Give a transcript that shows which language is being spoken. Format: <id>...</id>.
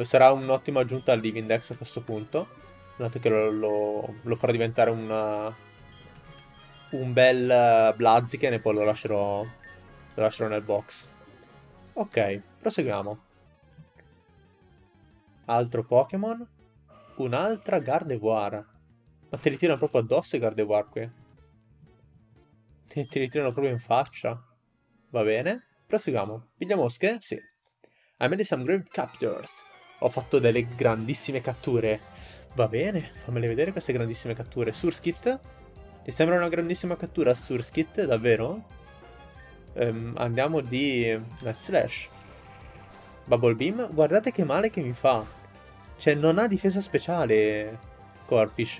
<it>sarà un'ottima aggiunta al Living Dex a questo punto, dato che lo farò diventare un bel Blaziken e poi lo lascerò nel box. Ok, proseguiamo. Altro Pokémon. Un'altra Gardevoir. Ma te li tirano proprio addosso i Gardevoir qui? Te li tirano proprio in faccia? Va bene. Proseguiamo. Pigliamosche?</it> <en>Sì. I made some great captures.</en> <it>Ho fatto delle grandissime catture. Va bene, fammele vedere queste grandissime catture. Surskit? Mi sembra una grandissima cattura, Surskit, davvero? Andiamo di Metslash. Bubble Beam? Guardate che male che mi fa. Cioè, non ha difesa speciale Corphish.</it>